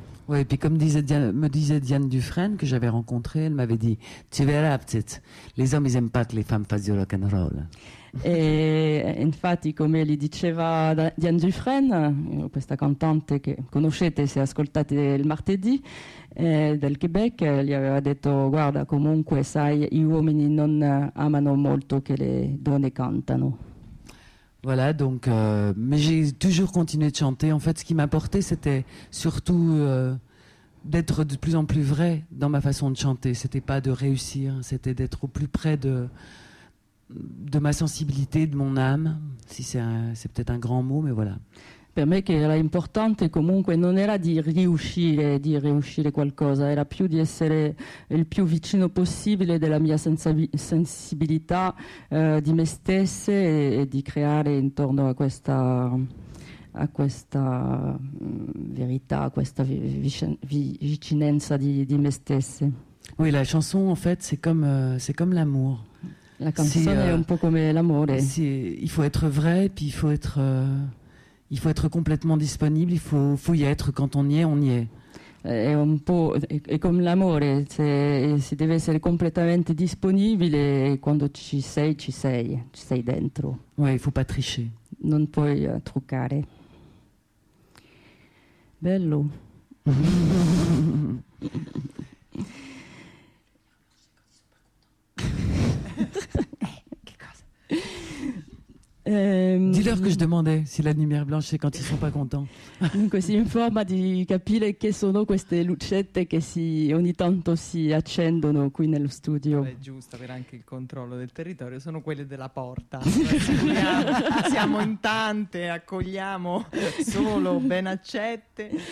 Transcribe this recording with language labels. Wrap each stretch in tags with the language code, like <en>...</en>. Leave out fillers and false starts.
<fr>Oui, et puis comme me disait Diane Dufresne, que j'avais rencontrée, elle m'avait dit, tu verras, petite, les hommes, ils n'aiment pas que les femmes fassent du rock and roll.</fr> <it>Et infatti, comme le diceva Diane Dufresne, questa cantante che conoscete se ascoltate il martedì del Québec, gli aveva detto, guarda, comunque, sai, gli uomini non amano molto che le donne cantano.</it> <fr>Voilà, donc, mais j'ai toujours continué de chanter. En fait, ce qui m'a porté, c'était surtout d'être de plus en plus vrai dans ma façon de chanter. C'était pas de réussir, c'était d'être au plus près de ma sensibilité, de mon âme. Si c'est peut-être un grand mot, mais voilà.</fr> <it>Per me, che era importante comunque, non era di riuscire qualcosa, era più di essere il più vicino possibile della mia sensibilità di me stessa e di creare intorno a questa verità, a questa vicinanza di me stessa.</it> <fr>Oui, la chanson, en fait, c'est comme l'amour.</fr> <it>La canzone è un po' come l'amore.</it> <fr>Il faut être vrai, puis il faut être. Il faut être complètement disponible, il faut y être. Quand on y est, on y est.</fr> <it>È un po' è come l'amore, si deve essere completamente disponibile e quando ci sei dentro.</it> <fr>Ouais, il faut pas tricher.</fr> <it>Non puoi truccare. Bello.</it> <fr>Dis-leur che je demandais si la lumière blanche c'est quand ils sont pas contents.</fr> <it>Dunque si informa di capire che sono queste lucette che si ogni tanto si accendono qui nello studio. È giusto avere anche il controllo del territorio, sono quelle della porta. Siamo in tante, accogliamo solo ben accette.</it>